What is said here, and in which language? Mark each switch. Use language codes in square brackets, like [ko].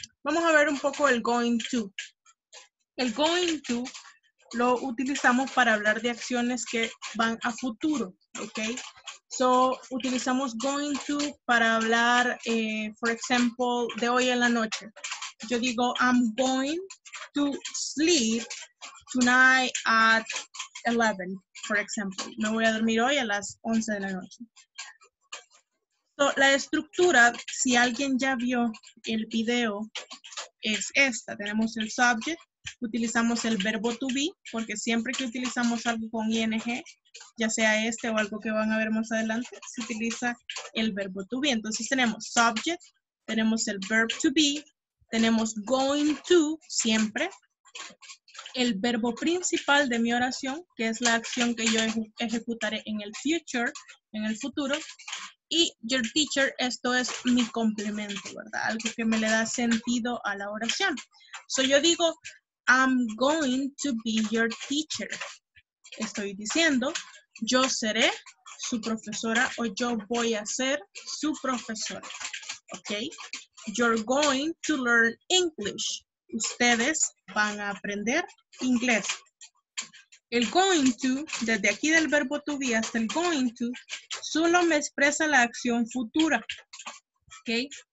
[es] Vamos a ver un poco el going to. El going to lo utilizamos para hablar de acciones que van a futuro, ¿ok? So, utilizamos going to para hablar, [en] for example, [es] de hoy en la noche. Yo digo, [en] I'm going to sleep tonight at 11, for example. [es] Me voy a dormir hoy a las 11 de la noche. So, la estructura, si alguien ya vio el video, es esta. Tenemos el subject, utilizamos el verbo to be, porque siempre que utilizamos algo con ing, ya sea este o algo que van a ver más adelante, se utiliza el verbo to be. Entonces tenemos subject, tenemos el verb to be, tenemos going to, siempre, el verbo principal de mi oración, que es la acción que yo ejecutaré en el future, en el futuro, y [en] your teacher, [es] esto es mi complemento, ¿verdad? Algo que me le da sentido a la oración. [en] So [es] yo digo, [en] I'm going to be your teacher. [es] Estoy diciendo, yo seré su profesora o yo voy a ser su profesora, ¿ok? [en] You're going to learn English. [es] Ustedes van a aprender inglés. El going to, desde aquí del verbo to be hasta el going to, solo me expresa la acción futura. ¿Ok?